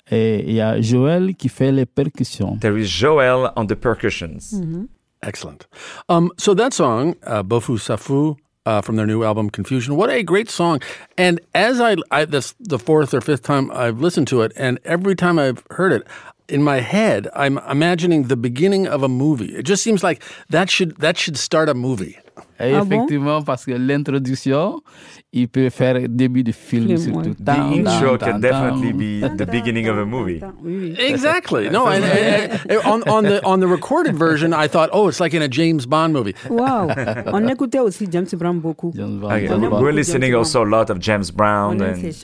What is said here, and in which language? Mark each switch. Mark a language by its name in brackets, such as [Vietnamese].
[French] Et il y a Joël qui fait les percussions. [English] There is Joël on the percussions. Mm-hmm. Excellent. So that song, Bofu Safu, from their new album, Confusion, what a great song. And as I this the fourth or fifth time I've listened to it, and every time I've heard it, in my head, I'm imagining the beginning of a movie. It just seems like that should start a movie. [French] Ah, effectivement, bon? Parce que l'introduction, il peut faire début de film. Film surtout. [English] The down, intro down, can down, definitely down. Be the beginning of a movie. Exactly. No, on the recorded version, I thought, oh, it's like in a James Bond movie. [French] Wow. On écoutait aussi James Brown beaucoup. [English] We're listening also a lot of James Brown. And...